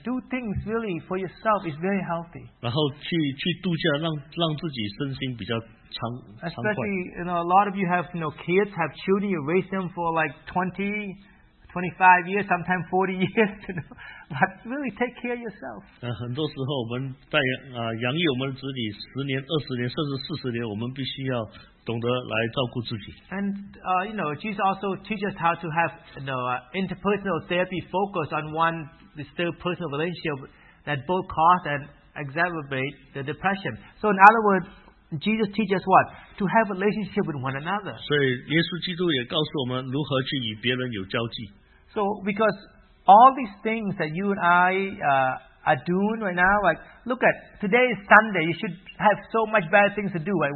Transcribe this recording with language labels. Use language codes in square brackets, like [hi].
[en] Do things really for yourself is very healthy. [zh] 然后去度假，让自己身心比较畅快。 [en] Especially, you know, a lot of you have, you know, kids, have children. You raise them for like 20, 25 years, sometimes 40 years. You know. But really take care of yourself. [zh] 很多时候我们在养育我们子女十年、二十年、甚至四十年，我们必须要懂得来照顾自己。 [en] And you know, Jesus also teaches us how to have, you know, interpersonal therapy, focus on one, this third personal relationship that both cause and exacerbate the depression. So in other words, Jesus teaches what? To have a relationship with one another. [zh] 所以耶稣基督也告诉我们如何去与别人有交际。 [en] So because all these things that you and I are doing right now, like, look at, today is Sunday, you should have so much better things to do, right?